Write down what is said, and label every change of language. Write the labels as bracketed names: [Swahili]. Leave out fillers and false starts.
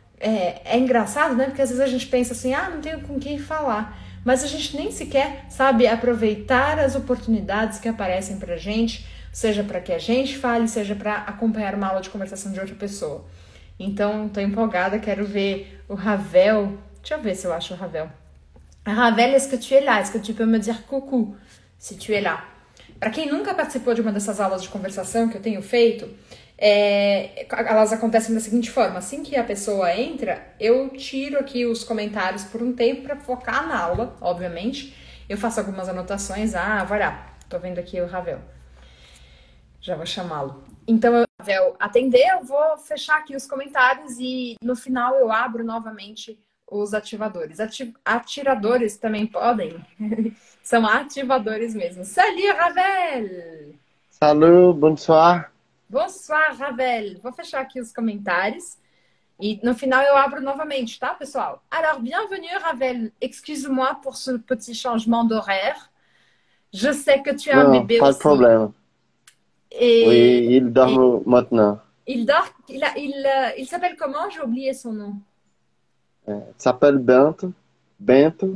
[Portuguese] É engraçado, né? Porque às vezes a gente pensa assim, ah, não tenho com quem falar. Mas a gente nem sequer sabe aproveitar as oportunidades que aparecem para a gente. Seja para que a gente fale, seja para acompanhar uma aula de conversação de outra pessoa. Então, estou empolgada, quero ver o Ravel. Deixa eu ver se eu acho o Ravel. [French] Ravel, est-ce que tu es là? Est-ce que tu peux me dire coucou? Se tu es là. [Portuguese] Para quem nunca participou de uma dessas aulas de conversação que eu tenho feito, elas acontecem da seguinte forma: assim que a pessoa entra, eu tiro aqui os comentários por um tempo para focar na aula, obviamente. Eu faço algumas anotações. Ah, vai lá, estou vendo aqui o Ravel. Já vou chamá-lo. Então, Ravel, atender, eu vou fechar aqui os comentários e no final eu abro novamente os ativadores. Atiradores também podem? São ativadores mesmo. [French] Salut, Ravel! Salut, bonsoir. Bonsoir, Ravel! [Portuguese] Vou fechar aqui os comentários e no final eu abro novamente, tá, pessoal? [French] Alors, bienvenue, Ravel. Excuse-moi pour ce petit changement d'horaire. Je sais que tu as un [Portuguese] Não, [French] bébé pas de aussi. [Portuguese] problema. [French] Oui, il dort maintenant. Il dort, il s'appelle comment? J'ai oublié son nom. S'appelle Bento. Bento.